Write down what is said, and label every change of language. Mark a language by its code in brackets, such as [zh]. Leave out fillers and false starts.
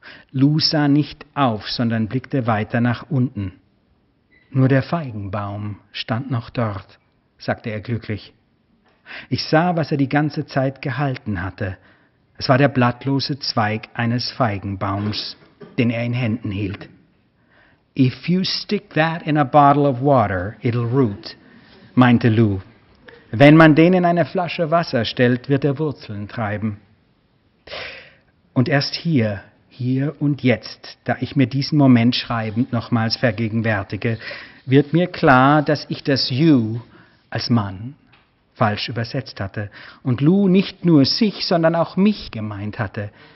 [de] Lou sah nicht auf, sondern blickte weiter nach unten. Nur der Feigenbaum stand noch dort, sagte er glücklich. Ich sah, was er die ganze Zeit gehalten hatte. Es war der blattlose Zweig eines Feigenbaums, den er in Händen hielt. [en] If you stick that in a bottle of water, it'll root, [de] meinte Lou. Wenn man den in eine Flasche Wasser stellt, wird er Wurzeln treiben. Und erst hier, hier und jetzt, da ich mir diesen Moment schreibend nochmals vergegenwärtige, wird mir klar, dass ich das You als Mann falsch übersetzt hatte und Lou nicht nur sich, sondern auch mich gemeint hatte.